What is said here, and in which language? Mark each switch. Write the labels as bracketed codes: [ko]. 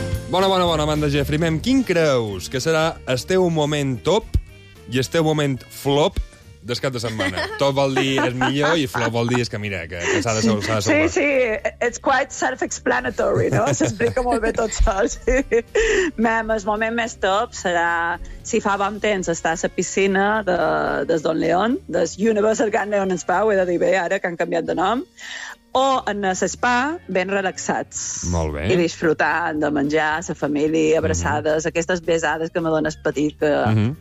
[ca] Bona, bona, bona, Amanda Jeffrey. Mem, quin creus que serà el teu moment top i el teu moment flop des cap de setmana? Top vol dir és millor i flop vol dir és que mira, que s'ha de salvar. Sí, sí, [en] it's quite self-explanatory, no? [ca] S'explica molt bé tot sol. Sí. Mem, el moment més top serà, si fa bon temps, estar a la piscina des Don León, des Universal Grand León Spa, ho he de dir bé ara, que han canviat de nom, o en el spa, ben relaxats. Molt bé. I disfrutant de menjar, la família, abraçades, mm-hmm. aquestes besades que me dones petit, que... Mm-hmm.